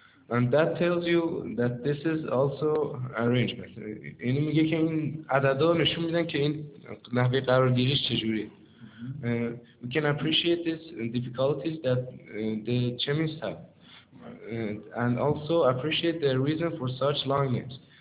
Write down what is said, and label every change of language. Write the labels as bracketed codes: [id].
[en] And that tells you that this is also arrangement. [fa] اینو میگه که این عددا نشون میدن که این نحوه قرارگیریش چجوریه. [en] We can appreciate these difficulties that the chemists have and also appreciate the reason for such long names.